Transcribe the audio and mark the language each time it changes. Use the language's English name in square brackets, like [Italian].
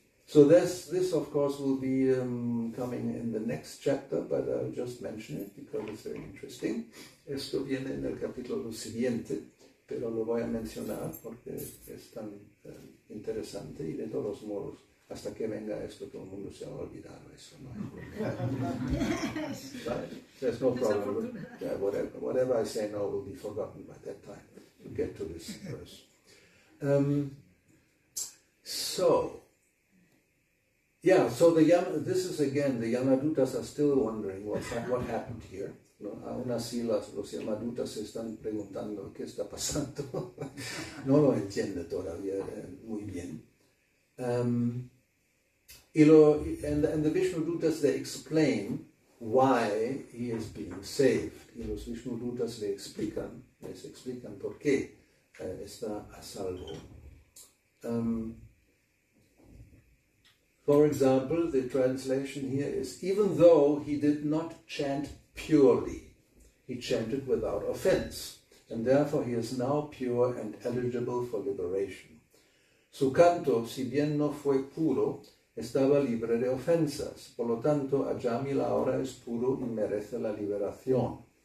[English] So this of course will be coming in the next chapter, but I'll just mention it because it's very interesting. [Spanish] Esto viene en el capítulo siguiente, pero lo voy a mencionar porque es tan interesante, y de todos modos, hasta que venga esto, todo el mundo se va a olvidar eso, ¿no? [English] There's no problem. Whatever I say now will be forgotten by that time. We'll get to this first. So the Yama, this is again, the Yamadutas are still wondering what happened here. [Spanish] No, aún así los Yamadutas se están preguntando qué está pasando. No lo entiende todavía muy bien. [English] And the Vishnudutas, they explain why he is being saved. [Spanish] Y los Vishnudutas les explican por qué está a salvo. [English] For example, the translation here is, even though he did not chant purely, he chanted without offense, and therefore he is now pure and eligible for liberation. [Spanish] Su canto, si bien no fue puro, estaba libre de ofensas. Por lo tanto, Ajami Laura es puro y merece la liberación.